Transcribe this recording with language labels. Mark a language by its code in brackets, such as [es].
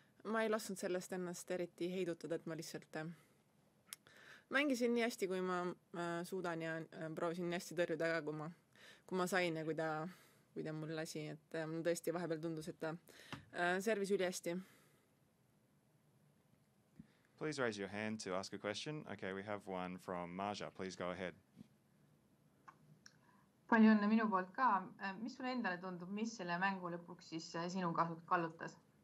[et] ma ei lasnud sellest ennast eriti heidutada, et ma lihtsalt mängisin nii hästi, kui ma suudan ja proovisin nii hästi tõrjuda ka, kui ma sain ja kui ta mul lasi. Mul tõesti vahepeal tundus, et ta servis üli hästi. [en] Please raise your hand to ask a question. Okay, we have one from Marja. Please go ahead. [et] Palju õnne minu poolt ka. Mis sulle endale tundub, mis selle mängu lõpuks siis sinu kasuks kallutas?